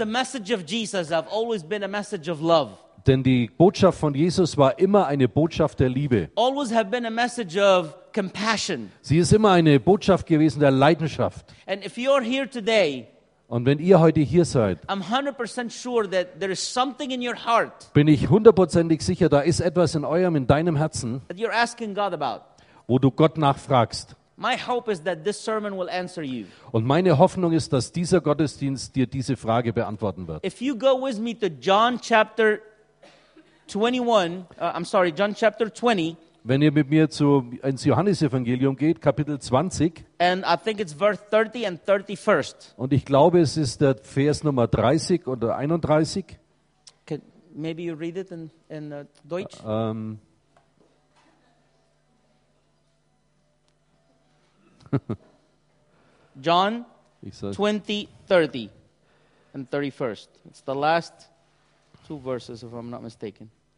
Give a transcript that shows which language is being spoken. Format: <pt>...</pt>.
<en>The message of Jesus have always been a message of love.</en> <de>Denn die Botschaft von Jesus war immer eine Botschaft der Liebe.</de> <en>Always have been a message of compassion.</en> <de>Sie ist immer eine Botschaft gewesen der Leidenschaft.</de> <en>And if you're here today,</en> <de>und wenn ihr heute hier seid,</de> <en>I'm 100% sure that there is something in your heart,</en> <de>bin ich hundertprozentig sicher, da ist etwas in eurem, in deinem Herzen,</de> <en>that you're asking God about.</en> <de>Wo du Gott nachfragst.</de> <en>My hope is that this sermon will answer you.</en> <de>Und meine Hoffnung ist, dass dieser Gottesdienst dir diese Frage beantworten wird.</de> <en>If you go with me to John chapter 21, John chapter 20.</en> <de>Wenn ihr mit mir ins Johannesevangelium geht, Kapitel 20.</de> <en>And I think it's verse 30 and 31st.</en> <de>Und ich glaube, es ist der Vers Nummer 30 oder 31.</de> <en>Can maybe you read it in Deutsch? John 20, 30 and 31st. It's the last two verses, if I'm not mistaken.</en>